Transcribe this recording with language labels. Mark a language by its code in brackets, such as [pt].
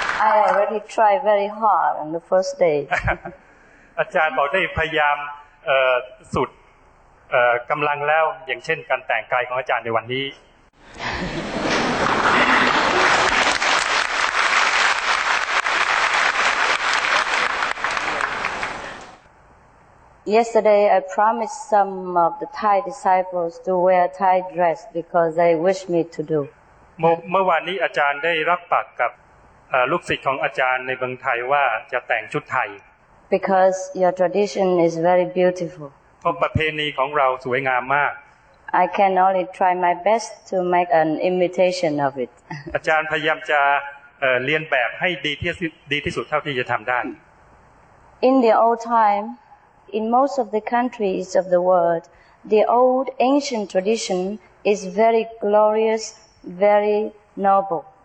[en] I already tried very hard on the first day. [th] อาจารย์บอกได้พยายามสุดกำลังแล้วอย่างเช่นการแต่งกายของอาจารย์ในวันนี้ [en] Yesterday I promised some of the Thai disciples to wear Thai dress because they wish me to do. [th] เมื่อวานนี้อาจารย์ได้รับปากกับลูกศิษย์ของอาจารย์ในเมืองไทยว่าจะแต่งชุดไทย [en] Because your tradition is very beautiful. [th] เพราะประเพณีของเราสวยงามมาก [en] I can only try my best to make an imitation of it. [th] อาจารย์พยายามจะเรียนแบบให้ดีที่สุดเท่าที่จะทำได้ [en] In the old time, in most of the countries of the world, the old ancient tradition is very glorious, very noble.